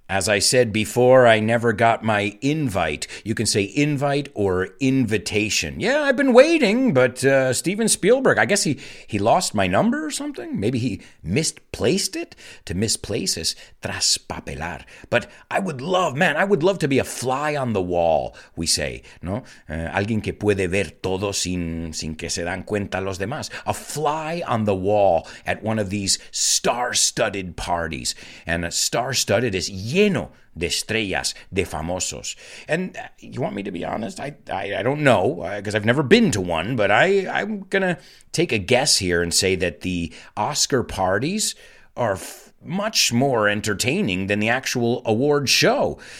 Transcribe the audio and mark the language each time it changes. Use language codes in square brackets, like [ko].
[en] As I said before, I never got my invite. You can say invite or invitation. Yeah, I've been waiting, but Steven Spielberg, I guess he lost my number or something. Maybe he misplaced it. To misplace is traspapelar. But I would love, man, I would love to be a fly on the wall, we say, no? [es] Alguien que puede ver todo sin que se dan cuenta los demás. [en] A fly on the wall at one of these star-studded parties. And a star-studded is [es] lleno de estrellas, de famosos. [en] And you want me to be honest? I don't know, because I've never been to one, but I'm going to take a guess here and say that the Oscar parties are much more entertaining than the actual award show.